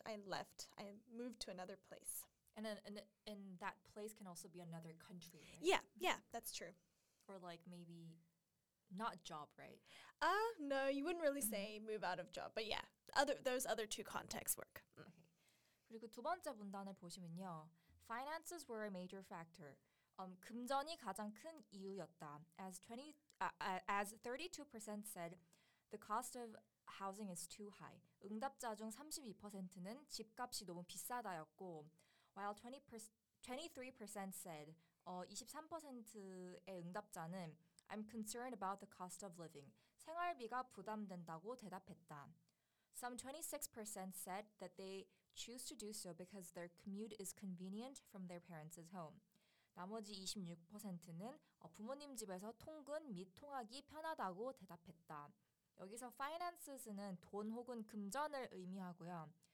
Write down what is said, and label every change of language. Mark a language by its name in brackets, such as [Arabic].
[English] I moved to another place. And in that place can also be another country, right? Yeah, yeah, that's true. Or like maybe not job, right? No, you wouldn't really say move out of job, but yeah, those other two contexts work. Okay. [Korean] 그리고 두 번째 문단을 보시면요. [English] Finances were a major factor. [Korean] 금전이 가장 큰 이유였다. [English] As 32% said, the cost of housing is too high. [Korean] 응답자 중 32%는 집값이 너무 비싸다였고, [English] while 23% said, [Korean] 23%의 응답자는 [English] I'm concerned about the cost of living. [Korean] 생활비가 부담된다고 대답했다. [English] Some 26% said that they choose to do so because their commute is convenient from their parents' home. [Korean] 나머지 26%는 부모님 집에서 통근 및 통학이 편하다고 대답했다. 여기서 finances는 돈 혹은 금전을 의미하고요.